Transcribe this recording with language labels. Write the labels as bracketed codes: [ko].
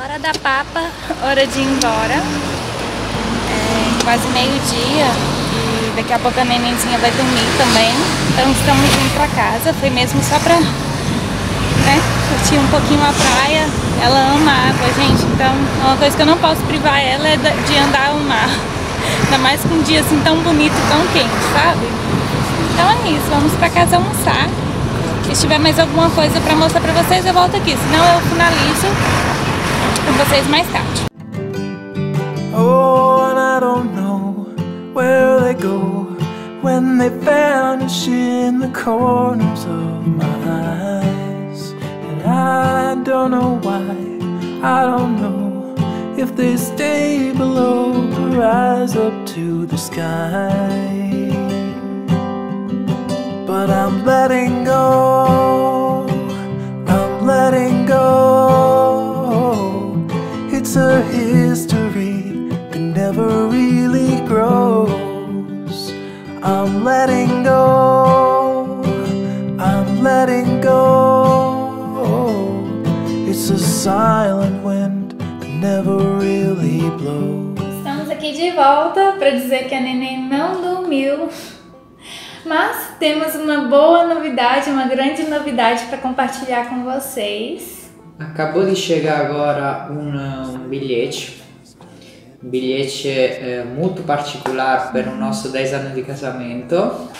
[pt] Hora de ir embora, é quase meio-dia e daqui a pouco a nenenzinha vai dormir também, então estamos indo para casa, foi mesmo só para, né, curtir um pouquinho a praia, ela ama água, gente, então uma coisa que eu não posso privar ela é de andar ao mar, ainda mais com um dia assim tão bonito, tão quente, sabe? Então é isso, vamos para casa almoçar, se tiver mais alguma coisa para mostrar para vocês eu volto aqui, senão eu finalizo com vocês mais tarde. [en] Oh, and I don't know where they go when they vanish in the corners of my eyes. And I don't know why, I don't know if they stay below or rise up to the sky. But I'm letting go, I'm letting go. It's a history never really grows. I'm letting go, I'm letting go. It's a silent wind that never really blows. [pt] Estamos aqui de volta para dizer que a neném não dormiu, mas temos uma boa novidade, uma grande novidade para compartilhar com vocês. Acabou de chegar agora um bilhete. Um bilhete muito particular para o nosso 10 anos de casamento.